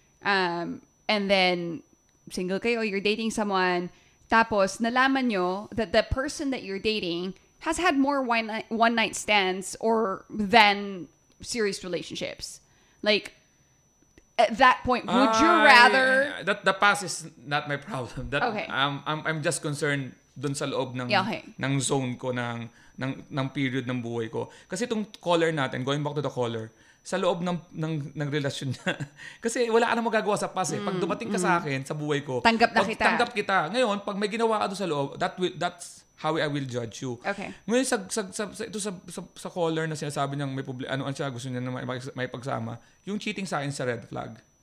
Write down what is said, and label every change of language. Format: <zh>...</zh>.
<en>And then,</en> <tl>single kayo,</tl> <en>you're dating someone.</en> <tl>Tapos, nalaman nyo</tl> <en>that the person that you're dating has had more one-night stands or than serious relationships. Like, at that point, would you rather... Yeah. The past is not my problem. I'm just concerned</en> <tl>dun sa loob ng, ng zone ko, ng period ng buhay ko. Kasi itong caller natin,</tl> <en>going back to the caller,</en> <tl>sa loob ng relasyon na. Kasi wala ka na magagawa sa past eh. Pag dumating ka sa akin, sa buhay ko, tanggap kita. Ngayon, pag may ginawa ka doon sa loob,</tl> <en>that's how I will judge you. Okay.</en> <tl>Ngayon, sa caller na sinasabi niyang may public, ano siya, gusto niya na may pagsama, yung cheating sa akin sa red flag.</tl>